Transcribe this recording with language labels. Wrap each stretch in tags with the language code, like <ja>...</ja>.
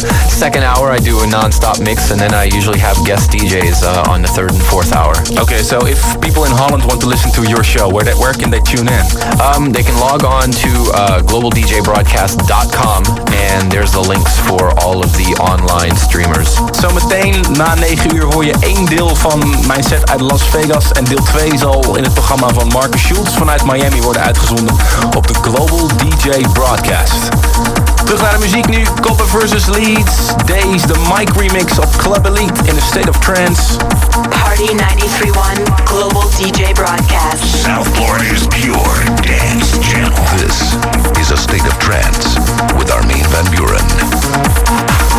<en>Second hour, I do a non-stop mix, and then I usually have guest DJs on the third and fourth hour. Okay, so if people in Holland want to listen to your show, where can they tune in? They can log on to globaldjbroadcast.com, and there's the links for all of the online streamers.</en> <nl>So meteen na 9 uur hoor je één deel van mijn set uit Las Vegas, en deel 2 zal in het programma van Marcus Schultz vanuit Miami worden uitgezonden op de Global DJ Broadcast. Terug naar de muziek nu. Copper versus Leeds.</nl> <en>Days, the Mike remix of Club Elite in a State of Trance. Party 93.1, Global DJ Broadcast. South Florida's Pure Dance Channel. This is a State of Trance with Armin Van Buuren.</en>